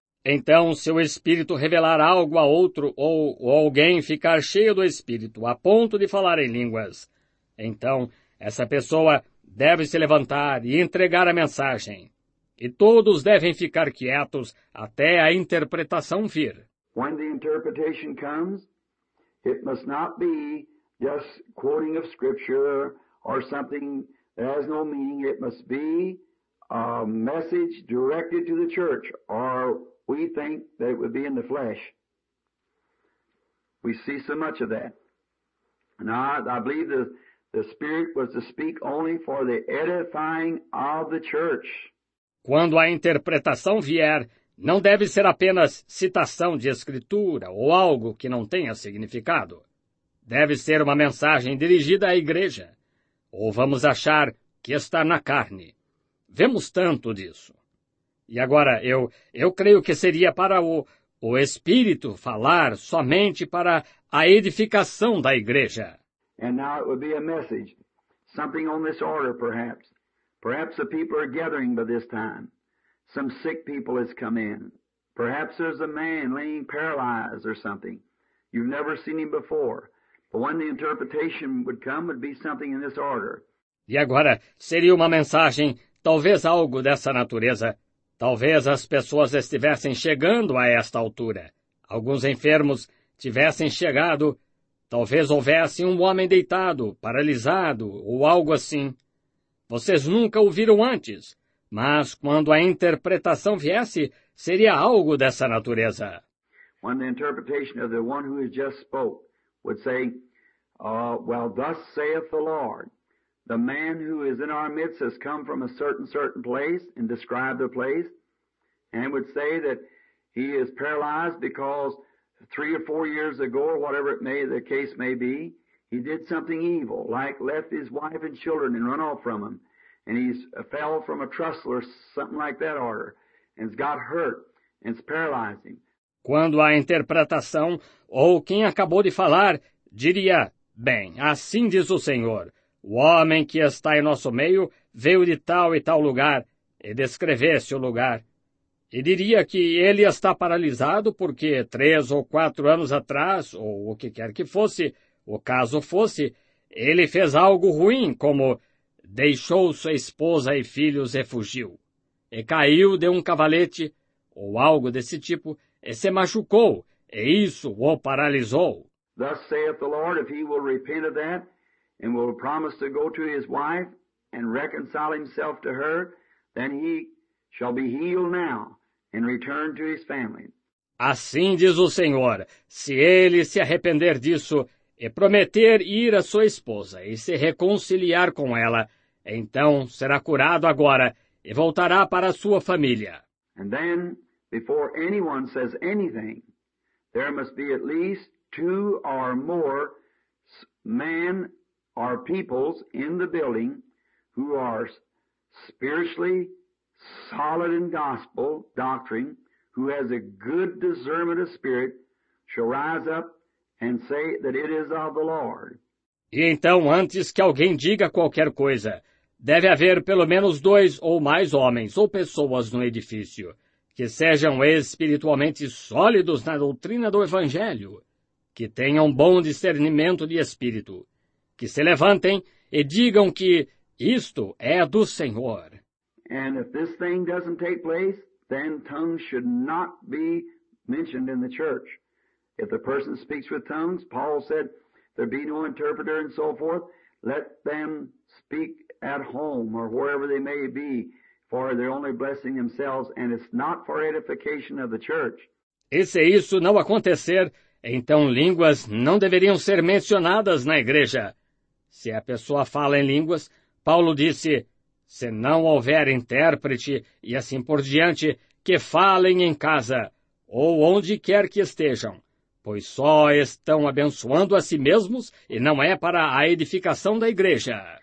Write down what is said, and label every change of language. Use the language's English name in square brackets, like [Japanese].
[Portuguese] Então, se o Espírito revelar algo a outro, ou alguém ficar cheio do Espírito a ponto de falar em línguas, então, essa pessoa deve se levantar e entregar a mensagem. E todos devem ficar quietos até a interpretação vir. [English] When the interpretation comes, it must not be just quoting of scripture or something that has no meaning. It must be a message directed to the church, or we think that it would be in the flesh. We see so much of that. And I believe that the Spirit was to speak only for the edifying of the church. [Portuguese] Quando a interpretação vier, não deve ser apenas citação de escritura ou algo que não tenha significado. Deve ser uma mensagem dirigida à igreja. Ou vamos achar que está na carne. Vemos tanto disso. E agora, eu creio que seria para o Espírito falar somente para a edificação da igreja. [English] And now it would be a message, something on this order, perhaps. Perhaps the people are gathering by this time. Some sick people has come in. Perhaps there's a man laying paralyzed or something. You've never seen him before. But when the interpretation would come, would be something in this order. [Portuguese] E agora, seria uma mensagem, talvez algo dessa natureza. Talvez as pessoas estivessem chegando a esta altura. Alguns enfermos tivessem chegado. Talvez houvesse um homem deitado, paralisado, ou algo assim. Vocês nunca o viram antes, mas quando a interpretação viesse, seria algo dessa natureza. Quando a interpretação de um que [English] just spoke would say, well, thus saith the Lord, the man who is in our midst has come from a certain place and described the place, and would say that He is paralyzed because 3 or 4 years ago, or whatever it may, the case may be, he did something evil, like left his wife and children and run off from them. And he's fell from a trestle or something like that order, and has got hurt, and it's paralyzing. [Portuguese] Quando a interpretação, ou quem acabou de falar, diria, bem, assim diz o Senhor, o homem que está em nosso meio veio de tal e tal lugar, e descrevesse o lugar. E diria que ele está paralisado porque 3 ou 4 anos atrás, ou o que quer que fosse, o caso fosse, ele fez algo ruim, como deixou sua esposa e filhos e fugiu, e caiu de um cavalete, ou algo desse tipo, e se machucou, e isso o paralisou. [English] Thus saith the Lord, if he will repent of that, and will promise to go to his wife, and reconcile himself to her, then he shall be healed now, and return to his family. [Portuguese] Assim diz o Senhor, se ele se arrepender disso, e prometer ir à sua esposa, e se reconciliar com ela, então será curado agora, e voltará para a sua família. [English] And then, before anyone says anything, there must be at least 2 or more men or peoples in the building who are spiritually solid in gospel doctrine, who has a good discernment of spirit, shall rise up and say that it is of the Lord. [Portuguese] E então, antes que alguém diga qualquer coisa, deve haver pelo menos 2 ou mais homens ou pessoas no edifício que sejam espiritualmente sólidos na doutrina do Evangelho, que tenham bom discernimento de espírito, que se levantem e digam que isto é do Senhor. [English] And if this thing doesn't take place, then tongues should not be mentioned in the church. If the person speaks with tongues, Paul said, there be no interpreter and so forth, let them speak at home or wherever they may be, for they're only blessing themselves, and it's not for edification of the church. [Portuguese] E se isso não acontecer, então línguas não deveriam ser mencionadas na igreja. Se a pessoa fala em línguas, Paulo disse, se não houver intérprete e assim por diante, que falem em casa ou onde quer que estejam, pois só estão abençoando a si mesmos e não é para a edificação da igreja.